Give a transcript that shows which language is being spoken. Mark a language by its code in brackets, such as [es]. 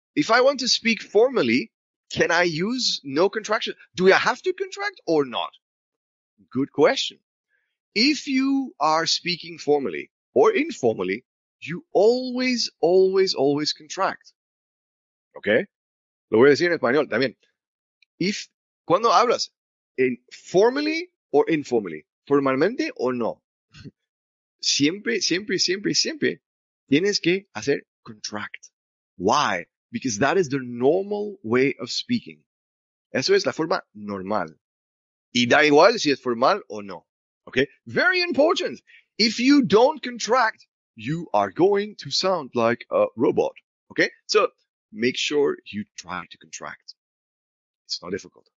[en] If I want to speak formally, can I use no contraction? Do I have to contract or not? Good question. If you are speaking formally or informally, you always, always, always contract. [es] Okay? Lo voy a decir en español también. If, cuando hablas, [en] formally or informally, [es] formalmente o no, siempre tienes que hacer contract. [en] Why? Because that is the normal way of speaking. [es] Eso es la forma normal. Y da igual si es formal o no. Okay? [en] Very important. If you don't contract, you are going to sound like a robot. Okay? So make sure you try to contract. It's not difficult.